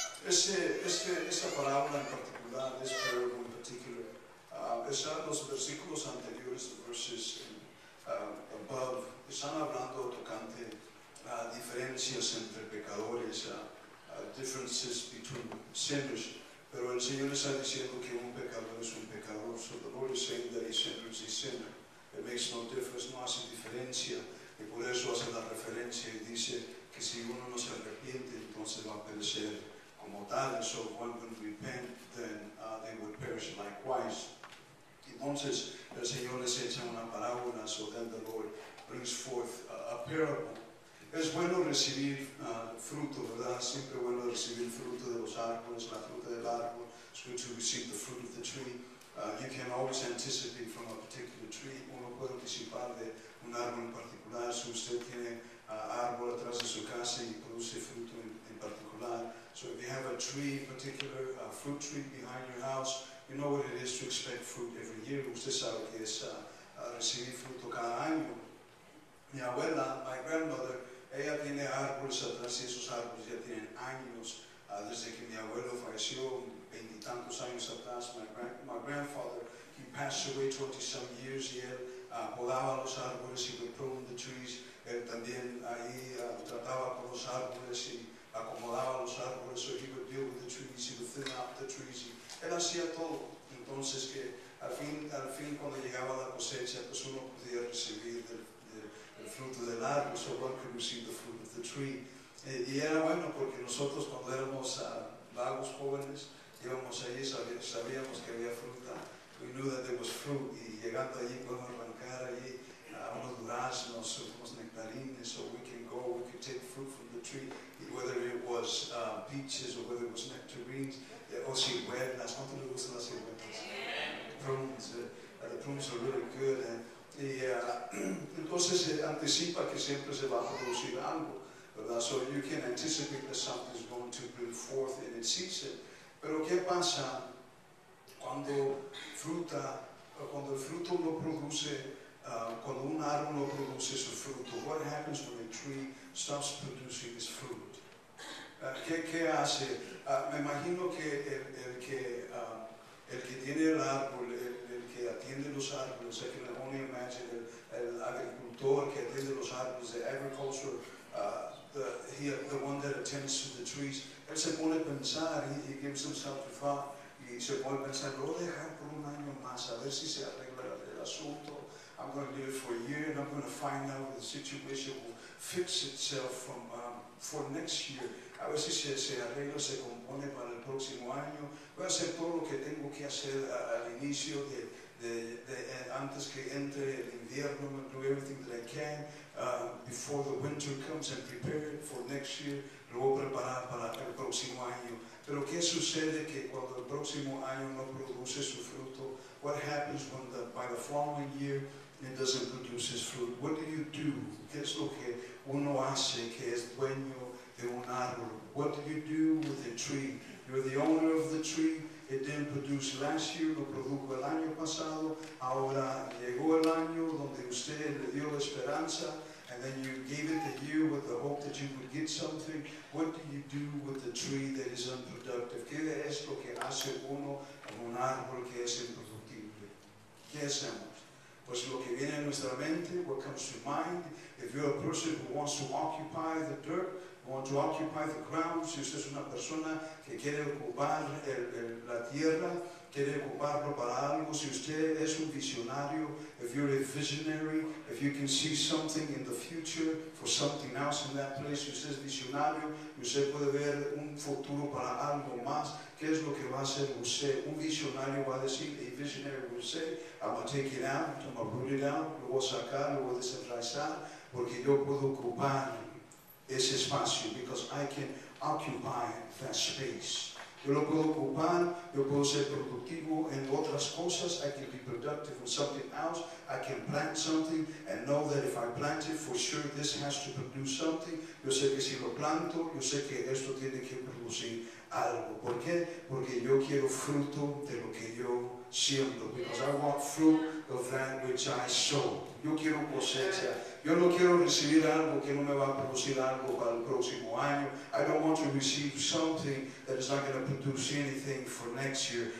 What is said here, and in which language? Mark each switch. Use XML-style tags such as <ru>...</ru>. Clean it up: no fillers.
<es>Esta parábola en particular,</es> <en>this parable in particular,</en> <es>están los versículos anteriores,</es> <en>verses above,</en> <es>están hablando tocante a diferencias entre pecadores,</es> <en>differences between sinners.</en> <es>Pero el Señor está diciendo que un pecador es un pecador.</es> <en>So the Lord is saying that a sinner is a sinner. It makes no difference,</en> <es>no hace diferencia. Y por eso hace la referencia y dice que si uno no se arrepiente, entonces va a perecer como tal.</es> <en>So if one would repent, then they would perish likewise.</en> <es>Entonces el Señor les echa una parábola,</es> <en>so then the Lord brings forth a parable.</en> <es>Es bueno recibir fruto, ¿verdad? Siempre bueno recibir fruto de los árboles, la fruta del árbol.</es> <en>It's good to receive the fruit of the tree. You can always anticipate from a particular tree.</en> <es>Uno puede anticipar de un árbol en particular. Si usted tiene árbol atrás de su casa y produce fruto en particular.</es> <en>So if you have a tree in particular, a fruit tree behind your house, you know what it is to expect fruit every year.</en> <es>Usted sabe que es recibir fruto cada año. Mi abuela,</es> <en>my grandmother,</en> <es>ella tiene árboles atrás y esos árboles ya tienen años. Desde que mi abuelo falleció, veintitantos años atrás,</es> <en>my grandfather, he passed away 20 some years,</en> <es>y él podaba los árboles y</es> <en>pruned the trees.</en> <es>Él también ahí trataba con los árboles y acomodaba los árboles.</es> <en>So he would deal with the trees, he would thin out the trees.</en> <es>Él hacía todo. Entonces que al fin cuando llegaba la cosecha, pues uno podía recibir el fruto del árbol.</es> <en>So one could receive the fruit of the tree.</en> <es>Y era bueno porque nosotros cuando éramos vagos jóvenes, íbamos allí, sabíamos que había fruta.</es> <en>We knew that there was fruit.</en> <es>Y llegando allí, podemos arrancar allí unos duraznos, unos nectarines.</es> <en>So we can go, we can take fruit from the tree. Y whether it was peaches or whether it was nectarines,</en> <es>o ciruelas, ¿cuánto le gustan las ciruelas?</es> <en>Prunes, the prunes are really good.</en> <es>Entonces anticipa que siempre se va a producir algo, ¿verdad?</es> <en>So you can anticipate that something is going to bring forth in its season.</en> <es>Pero ¿qué pasa cuando el fruto no produce, cuando un árbol no produce su fruto?</es> <en>What happens when a tree stops producing its fruit?</en> <es>¿Qué hace? Me imagino que el que tiene el árbol, el que atiende los árboles,</es> <en>I can only imagine</en> <es>el agricultor que atiende los árboles,</es> <en>the agriculture, the one that attends to the trees,</en> <es>él se pone a pensar,</es> <en>he gives himself to thought,</en> <es>y se pone a pensar, lo voy a dejar por un año más, a ver si se arregla el asunto.</es> <en>I'm going to leave it for a year and I'm going to find out if the situation will fix itself for next year.</en> <es>A ver si se arregla, se compone para el próximo año. Voy a hacer todo lo que tengo que hacer al inicio de antes que entre el invierno.</es> <en>I'm going to do everything that I can before the winter comes and prepare it for next year.</en> <es>Lo voy a preparar para el próximo año. Pero ¿qué sucede que cuando el próximo año no produce su fruto?</es> <en>What happens when by the following year it doesn't produce its fruit? What do you do?</en> <es>¿Qué es lo que uno hace que es dueño de un árbol?</es> <en>What do you do with a tree? You're the owner of the tree. It didn't produce last year,</en> <es>lo produjo el año pasado. Ahora llegó el año donde usted le dio la esperanza,</es> <en>and then you gave it to you with the hope that you would get something. What do you do with the tree that is unproductive?</en> <es>¿Qué es lo que hace uno con un árbol que es improductible? ¿Qué hacemos? Pues lo que viene a nuestra mente,</es> <en>what comes to mind, if you're a person who wants to occupy the dirt, want to occupy the ground,</en> <es>si usted es una persona que quiere ocupar la tierra, quiere ocuparlo para algo, si usted es un visionario,</es> <en>if you're a visionary, if you can see something in the future for something else in that place,</en> <es>si usted es visionario, usted puede ver un futuro para algo más, ¿qué es lo que va a hacer usted? Un visionario va a decir,</es> <en>a visionary will say, I'm going to take it out, I'm going to put it out,</en> <es>lo voy a sacar, lo voy a desenraizar, porque yo puedo ocupar ese espacio,</es> <en>because I can occupy that space.</en> <es>Yo lo puedo ocupar, yo puedo ser productivo en otras cosas.</es> <en>I can be productive in something else. I can plant something and know that if I plant it, for sure this has to produce something.</en> <es>Yo sé que si lo planto, yo sé que esto tiene que producir algo. ¿Por qué? Porque yo quiero fruto de lo que yo siento.</es> <en>Because I want fruit of that which I sow.</en> <es>Yo quiero cosecha. Yo no quiero recibir algo que no me va a producir algo para el próximo año.</es> <en>I don't want to receive something that is not going to produce anything for next year.</en>